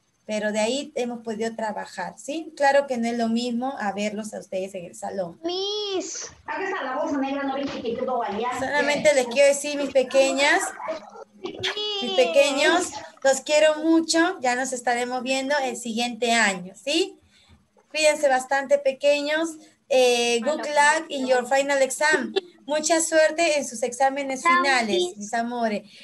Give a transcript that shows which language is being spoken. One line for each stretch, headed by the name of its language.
Spanish: Pero de ahí hemos podido trabajar, ¿sí? Claro que no es lo mismo a verlos a ustedes en el salón. ¡Mis! Acá está la voz negra, no viste que todo valía. Solamente les quiero decir, mis pequeñas, mis pequeños, los quiero mucho. Ya nos estaremos viendo el siguiente año, ¿sí? Cuídense bastante, pequeños.
English: Good luck in your final exam.
Spanish: Mucha suerte en sus exámenes finales, mis amores.